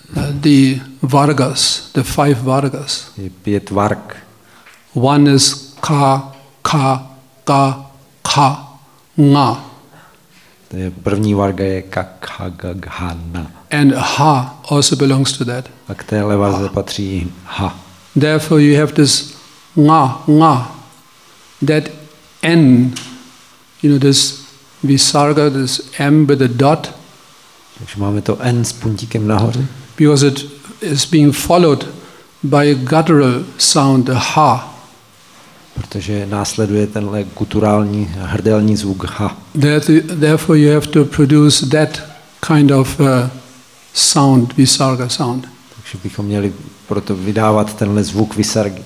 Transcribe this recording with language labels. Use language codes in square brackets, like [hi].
[en] The vargas, the five vargas. [cs] Je pět varg. [en] One is ka, ka, ka, ka, nga. [cs] The první varga je ka, ka, ga, ga, na. [en] And ha also belongs to that. [cs] A k téhle varze patří ha. [en] Therefore you have this nga, nga, that N, you know, this visarga, this M with a dot. [cs] Takže máme to N s puntíkem nahoře. [en] Because it is being followed by a guttural sound, a ha. [cs] Protože následuje tenhle guturální, hrdelní zvuk ha. [en] Therefore you have to produce that kind of sound, visarga sound. [cs] Takže bychom měli proto vydávat tenhle zvuk visargy.